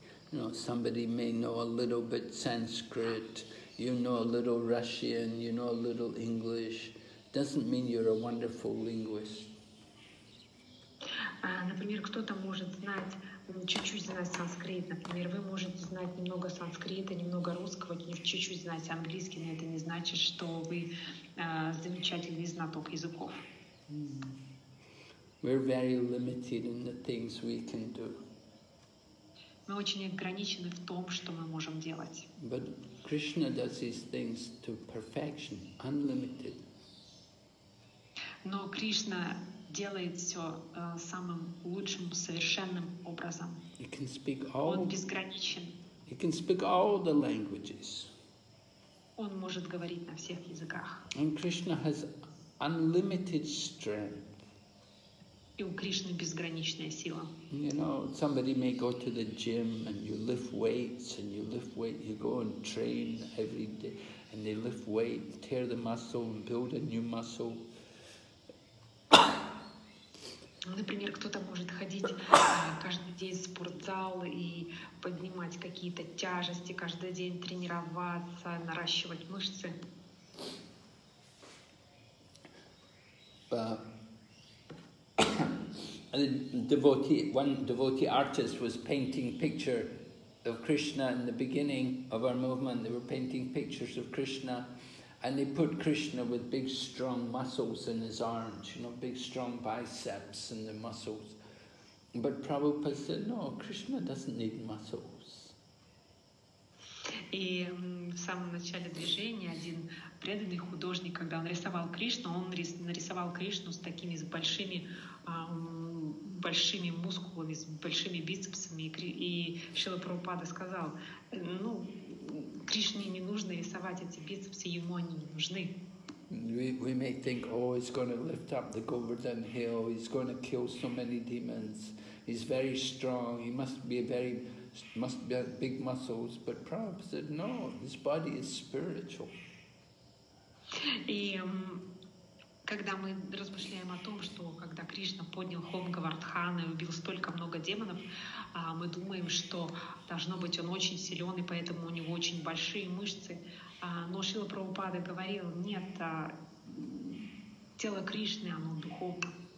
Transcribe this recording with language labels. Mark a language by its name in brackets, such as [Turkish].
[English] You know, somebody may know a little bit Sanskrit, you know a little Russian, you know a little English. Doesn't mean you're a wonderful linguist. [Russian] Например, кто-то может знать, чуть-чуть знать санскрит. Например, вы можете знать немного санскрита, немного русского, чуть-чуть знать английский, но это не значит, что вы замечательный знаток языков. Mm-hmm. [English] We're very limited in the things we can do. [Russian] Мы очень ограничены в том, что мы можем делать. [English] But Krishna does these things to perfection, unlimited. [Russian] Но Кришна делает все самым лучшим, совершенным образом. [English] He can speak all, [Russian] Он безграничен. [English] He can speak all the languages. [Russian] Он может говорить на всех языках. [English] And Krishna has unlimited strength. [Russian] И у Кришны безграничная сила. [English] You know, somebody may go to the gym and you lift weights and you lift weight, you go and train every day and they lift weight, tear the muscle and build a new muscle. [Russian] Например, кто-то может ходить каждый день в спортзал и поднимать какие-то тяжести, каждый день тренироваться, наращивать мышцы. [English] But One devotee artist was painting picture of Krishna in the beginning of our movement. They were painting pictures of Krishna, and they put Krishna with big strong muscles in his arms, you know, big strong biceps and the muscles. But Prabhupada said, no, Krishna doesn't need muscles. [Russian] И в самом начале движения один преданный художник, когда он рисовал Кришну, он нарисовал Кришну с такими с большими, большими мускулами, с большими бицепсами. И Шрила Прабхупада сказал, ну, Кришне не нужно рисовать эти бицепсы, ему они не нужны. [English] We may think, oh, he's going to lift up the Govardhan Hill, he's going to kill so many demons, he's very strong, he must be a very... must be big muscles, but Prabhupada said, no, this body is spiritual. [Russian] И когда мы размышляем о том, что когда Кришна поднял холм Говардхана и убил столько много демонов, мы думаем, что должно быть он очень силен, и поэтому у него очень большие мышцы. Но Шрила Прабхупада говорил, нет, тело Кришны, оно духовно.